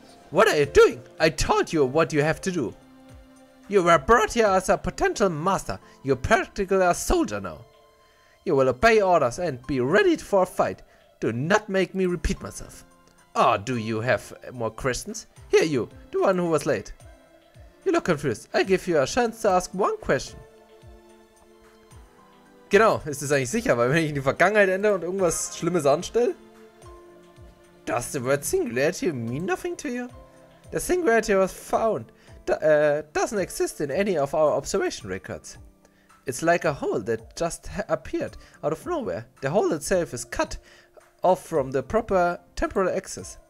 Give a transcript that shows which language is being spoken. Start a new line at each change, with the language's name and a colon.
English: What are you doing? I told you what you have to do. You were brought here as a potential master. You're practically a soldier now. You will obey orders and be ready for a fight. Do not make me repeat myself. Or do you have more questions? Here you, the one who was late. You look confused. I give you a chance to ask one question.
German: Genau, ist es eigentlich sicher, weil wenn ich in die Vergangenheit ändere und irgendwas Schlimmes anstelle?
English: Does the word singularity mean nothing to you? The singularity was found. Doesn't exist in any of our observation records. It's like a hole that just appeared out of nowhere. The hole itself is cut off from the proper temporal axis.